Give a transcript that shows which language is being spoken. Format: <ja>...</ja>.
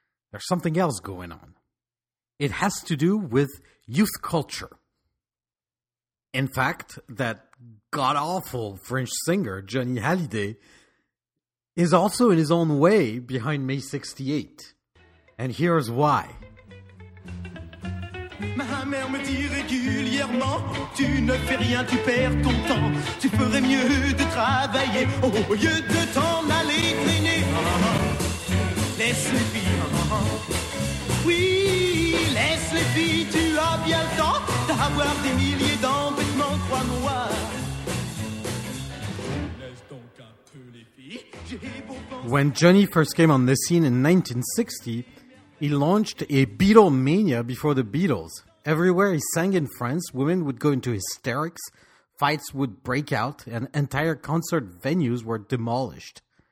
<en>There's something else going on. It has to do with youth culture. In fact, that god-awful French singer, Johnny Hallyday, is also in his own way behind May 68. And here's why.</en> <fr>Ma mère me dit régulièrement, tu ne fais rien, tu perds ton temps. Tu ferais mieux de travailler au lieu de t'en aller traîner. laisse-les vivre. Oui, laisse-les vivre, tu as bien le temps d'avoir des milliers d'embêtements, crois-moi.</fr> <en>When Johnny first came on the scene in 1960, he launched a Beatlemania before the Beatles. Everywhere he sang in France, women would go into hysterics, fights would break out, and entire concert venues were demolished.</en>